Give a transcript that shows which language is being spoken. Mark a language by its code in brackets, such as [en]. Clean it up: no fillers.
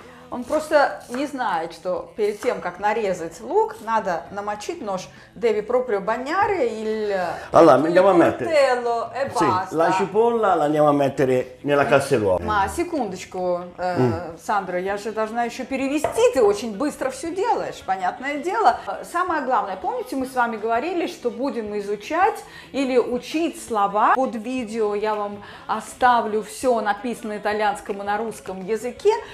[ru] Он просто не знает, что перед тем, как нарезать лук, надо намочить нож. [it] Devi proprio bagnare il coltello e basta. Sì, la cipolla la andiamo a mettere nella casseruola. Ma, [ru] секундочку, Сандро, я же должна еще перевести, ты очень быстро все делаешь, понятное дело. Самое главное, помните, мы с вами говорили, что будем изучать или учить слова? Под видео я вам оставлю все написанное итальянскому на русском языке.